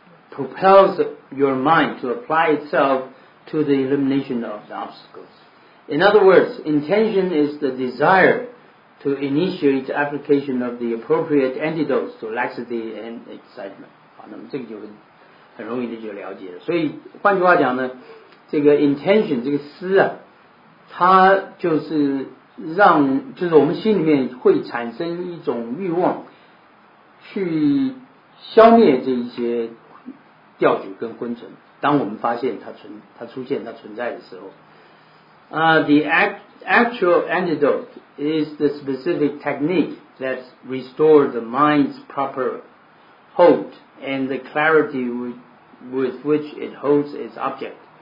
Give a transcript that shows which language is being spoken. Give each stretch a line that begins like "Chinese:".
English: propels your mind to apply itself to the elimination of the obstacles. In other words, intention is the desire to initiate application of the appropriate antidotes to laxity and excitement.
Chinese: 啊，那么这个就很容易的就了解了。所以换句话讲呢，这个 intention 这个思啊，它就是让，就是我们心里面会产生一种欲望，去消灭这一些吊举跟昏沉。当我们发现它存在的时候。
English: The actual antidote is the specific technique that restores the mind's proper hold and the clarity with which it holds its object.